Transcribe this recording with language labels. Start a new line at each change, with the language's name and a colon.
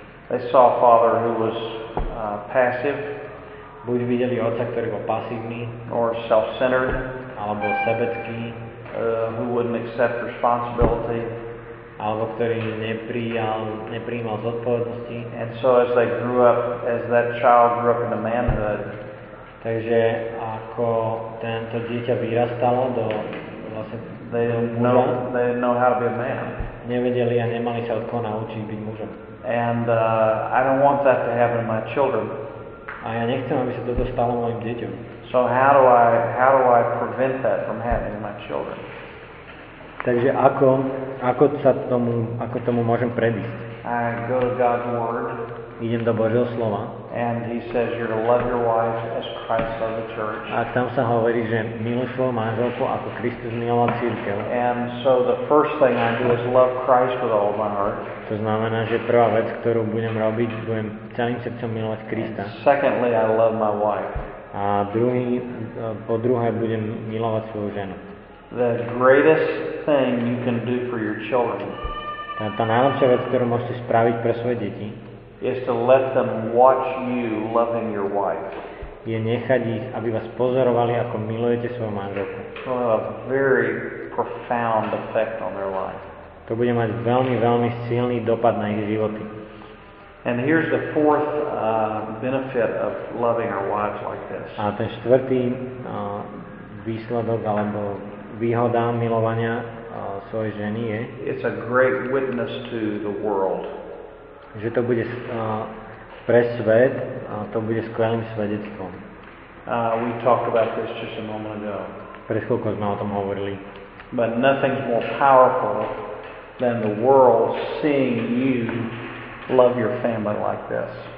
English: They saw a father who was passive.
Slovak: Buď videli otca, ktorý bol pasívny.
English: Or self-centered.
Slovak: Alebo sebecký.
English: Who wouldn't accept responsibility.
Slovak: Alebo ktorý neprijímal zodpovednosti.
English: And so as they grew up, as that child grew up into manhood,
Slovak: takže ako tento dieťa vyrastalo do vlastne
English: they didn't know how to be a man.
Slovak: Nevedeli a nemali sa od koho naučiť byť mužom.
English: And I don't want that to happen to my children.
Slovak: A ja nechcem, aby sa toto stalo mojim deťom.
English: So how do I prevent that from happening to my children?
Slovak: Takže ako tomu môžem predísť?
English: I go to God's word.
Slovak: Idem do Božieho slova.
English: And he says you're to love your wife as Christ loved the church.
Slovak: A tam sa hovorí, že miluj svoju manželku ako Kristus miloval cirkev.
English: And so the first thing I do is love Christ with all my heart.
Slovak: To znamená, že prvá vec, ktorú budem robiť, budem celým srdcom milovať Krista.
English: And secondly, I love my wife.
Slovak: A druhý, po druhé budem milovať svoju ženu.
English: The greatest thing you can do for your children.
Slovak: Tá najlepšia vec, ktorú môžete spraviť pre svoje deti,
English: is to let them watch you loving your wife.
Slovak: Je nechať ich, aby vás pozorovali, ako milujete svoju manželku.
English: To will have a very profound effect on their life.
Slovak: To bude mať veľmi, veľmi silný dopad na ich životy.
English: And here's the fourth benefit of loving our wives like this.
Slovak: A ten štvrtý výsledok alebo výhoda milovania svojej ženy je,
English: it's a great witness to the world.
Slovak: Že to bude pre svet, to bude skvelým svedectvom.
English: We talked about this just a moment ago.
Slovak: Pred chvíľkou sme o tom hovorili.
English: But nothing's more powerful than the world seeing you love your family like this.